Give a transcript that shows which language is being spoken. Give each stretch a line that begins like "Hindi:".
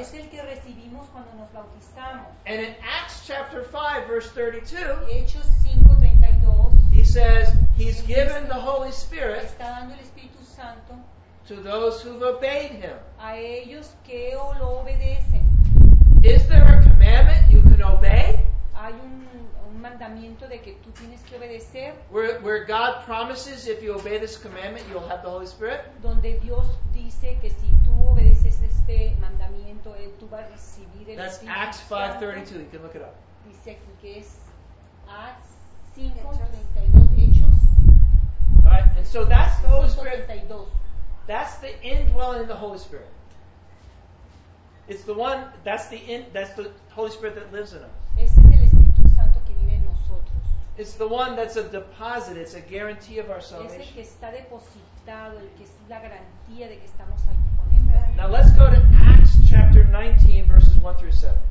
Spanish: Es el que recibimos cuando nos bautizamos.
English: And in Acts chapter 5, verse 32,
Spanish: Hechos 5, 32,
English: he says, he's given the Holy Spirit
Spanish: está dando el Espíritu Santo
English: to those who've obeyed him.
Spanish: A ellos que lo obedecen.
English: Is there a commandment you can obey?
Spanish: Hay un mandamiento de que tú tienes que obedecer.
English: Where God promises if you obey this commandment, you'll have the Holy Spirit.
Spanish: Donde Dios dice que si tú obedeces este mandamiento, tú vas a recibir el
English: That's
Spanish: Espíritu.
English: That's Acts 5:32. You can look it up.
Spanish: Dice aquí que es Acts 5:32. Hechos.
English: All right, and so that's the Holy Spirit.
Spanish: 32.
English: That's the indwelling of the Holy Spirit. It's the one, that's the Holy Spirit that lives in us.
Spanish: Ese es el Espíritu Santo que vive en nosotros.
English: It's the one that's a deposit, it's a guarantee of our salvation.
Spanish: Es el que está depositado, el que es la garantía de que estamos aquí con él.
English: Now let's go to Acts chapter 19, verses 1 through 7.